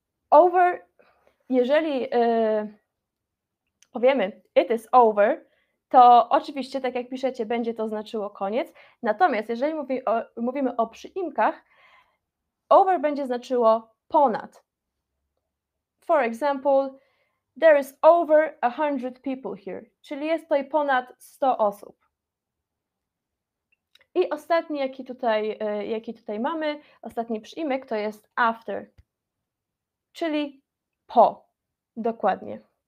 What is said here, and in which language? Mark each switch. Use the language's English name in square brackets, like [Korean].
[Polish] Over, jeżeli powiemy [English] it is over, [Polish] to oczywiście, tak jak piszecie, będzie to znaczyło koniec. Natomiast jeżeli mówimy o przyimkach, over będzie znaczyło ponad. [English] For example, there is over 100 people here. [Polish] Czyli jest tutaj ponad 100 osób. I ostatni, jaki tutaj mamy, ostatni przyimek, to jest after. Czyli po. Dokładnie.